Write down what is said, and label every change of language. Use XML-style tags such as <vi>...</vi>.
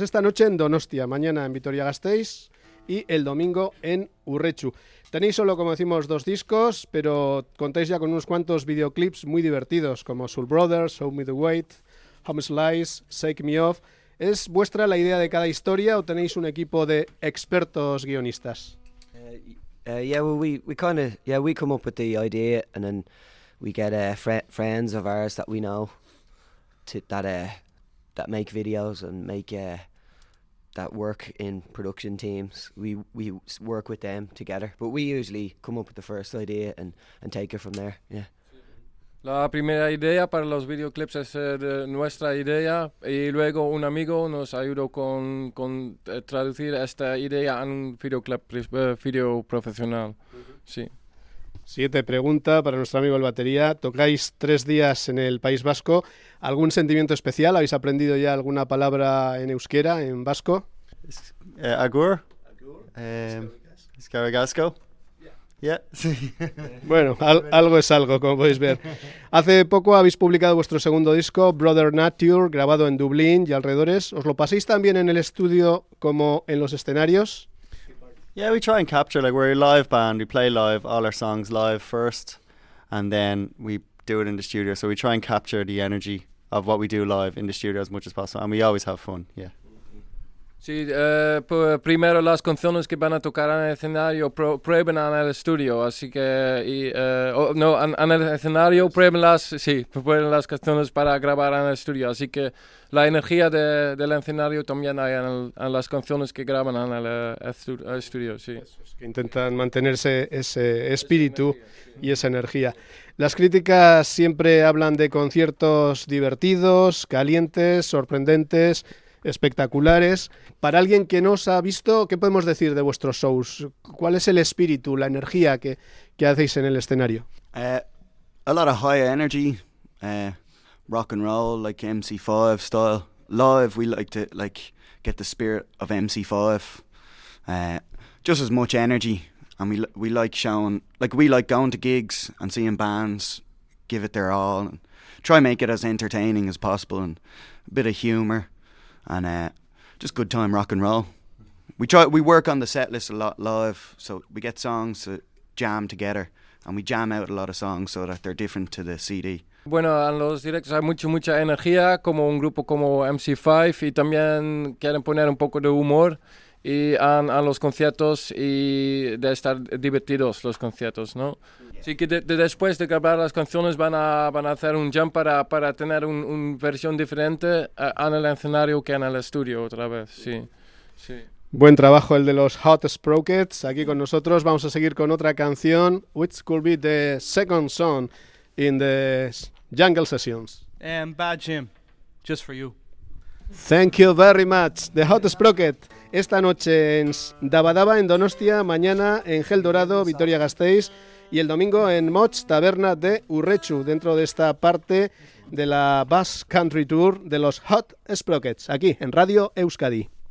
<es>Esta noche en Donostia, mañana en Vitoria-Gasteiz y el domingo en Urretxu. Tenéis solo, como decimos, dos discos, pero contáis ya con unos cuantos videoclips muy divertidos, como Soul Brothers, Show Me the Weight, Home Slice, Shake Me Off. ¿Es vuestra la idea de cada historia o tenéis un equipo de expertos guionistas?</es> <en>We come up with the idea and then we get friends of ours that we know that make videos and that work in production teams. We work with them together, but we usually come up with the first idea and take it from there. Yeah.</en> <es>La primera idea para los videoclips es nuestra idea y luego un amigo nos ayudó con traducir esta idea en un videoclip video profesional. Uh-huh. Sí. Siguiente pregunta para nuestro amigo el batería. Tocáis 3 días en el País Vasco. ¿Algún sentimiento especial? ¿Habéis aprendido ya alguna palabra en euskera, en vasco?</es> <eu>Agur. Escaragasco.</eu> <en>Yeah.</en> <es>Bueno, algo es algo, como podéis ver. Hace poco habéis publicado vuestro segundo disco, Brother Nature, grabado en Dublín y alrededores. ¿Os lo pasáis también en el estudio como en los escenarios?</es> <en>Yeah, we try and capture, like, we're a live band, we play live, all our songs live first, and then we do it in the studio. So we try and capture the energy of what we do live in the studio as much as possible, and we always have fun, yeah.</en> <es>Sí, primero las canciones que van a tocar en el escenario prueben en el estudio, así que, en el escenario prueben las canciones para grabar en el estudio, así que la energía del escenario también hay en las canciones que graban en el estudio, sí. Eso es, que intentan mantenerse ese espíritu y esa energía. Las críticas siempre hablan de conciertos divertidos, calientes, sorprendentes, espectaculares. Para alguien que no os ha visto, ¿qué podemos decir de vuestros shows? ¿Cuál es el espíritu, la energía que hacéis en el escenario?</es> <en>A lot of high energy, rock and roll, like MC5 style. Live, we like to get the spirit of MC5. Just as much energy, and we like showing, like we like going to gigs and seeing bands give it their all and try make it as entertaining as possible and a bit of humor. And just good time rock and roll. We work on the set list a lot live, so we get songs to jam together, and we jam out a lot of songs so that they're different to the CD.</en> <es>Bueno, en los directos hay mucha energía, como un grupo como MC5, y también quieren poner un poco de humor y en los conciertos y de estar divertidos los conciertos, ¿no? Así que después de grabar las canciones van a hacer un jump para tener una versión diferente en el escenario que en el estudio otra vez, sí. Sí. Buen trabajo el de los Hot Sprockets aquí con nosotros. Vamos a seguir con otra canción,</es> <en>which could be the second song in the Jungle Sessions. And Bad Jim, just for you. Thank you very much, the Hot Sprocket.</en> <es>Esta noche en Dabadaba en Donostia, mañana en Gel Dorado, Vitoria-Gasteiz, y el domingo en Motz Taberna de Urretxu, dentro de esta parte de la Bass Country Tour de los Hot Sprockets, aquí en Radio Euskadi.</es>